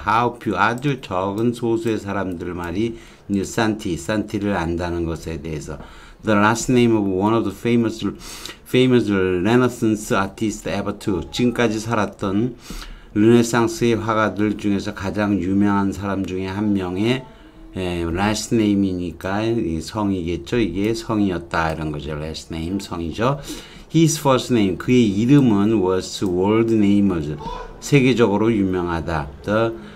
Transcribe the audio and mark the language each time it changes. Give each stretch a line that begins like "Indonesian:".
English: How few,
Korean: 아주 적은 소수의 사람들 말이,
English: knew Santi,
Korean: Santi를 안다는 것에 대해서.
English: The last name of one of the famous Renaissance artists ever to.
Korean: 지금까지 살았던 르네상스의 화가들 중에서 가장 유명한 사람 중에 한 명의
English: last name
Korean: 이니까 성이겠죠. 이게 성이었다 이런 거죠.
English: last name
Korean: 성이죠.
English: His first name
Korean: 그의 이름은
English: was world famous
Korean: 세계적으로 유명하다.